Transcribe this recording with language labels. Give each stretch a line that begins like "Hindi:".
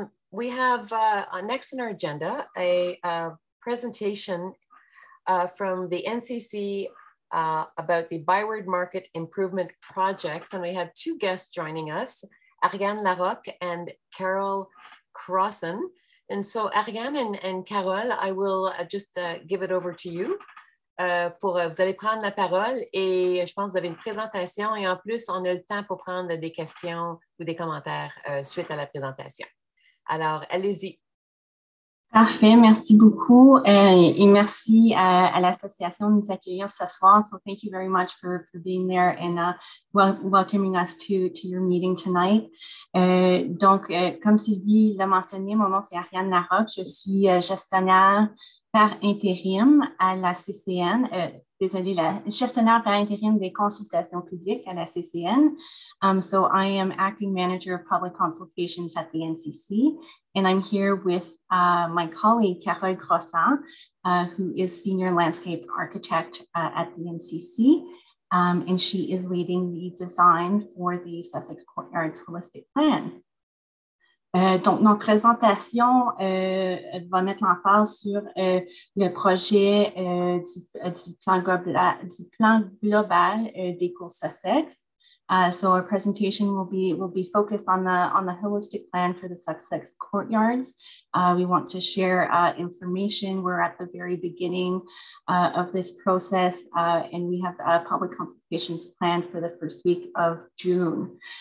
English: We have next on our agenda a presentation from the NCC about the Byward Market Improvement Projects. And we have two guests joining us, Ariane Larocque and Carol Crossan. And so Ariane and Carol, I will give it over to you.
French: Vous allez prendre la parole et je pense que vous avez une présentation et en plus, on a le temps pour prendre des questions ou des commentaires suite à la présentation. Alors, allez-y. Parfait, merci beaucoup et merci à l'association de nous accueillir ce soir.
English: So, thank you very much for being there and welcoming us to your meeting tonight.
French: Comme Sylvie l'a mentionné, mon nom c'est Ariane Larocque, je suis gestionnaire par intérim à la CCN, la gestionnaire par intérim des consultations publiques à la CCN.
English: So I am acting manager of public consultations at the NCC, and I'm here with my colleague, Carole Crossan, who is senior landscape architect at the NCC, and she is leading the design for the Sussex Courtyards Holistic Plan.
French: Donc, notre présentation va mettre l'emphase sur le projet du plan global des cours Sussex.
English: So our presentation will be focused on the holistic plan for the Sussex courtyards. We want to share information. We're at the very beginning of this process, and we have public consultations planned for the first week of June.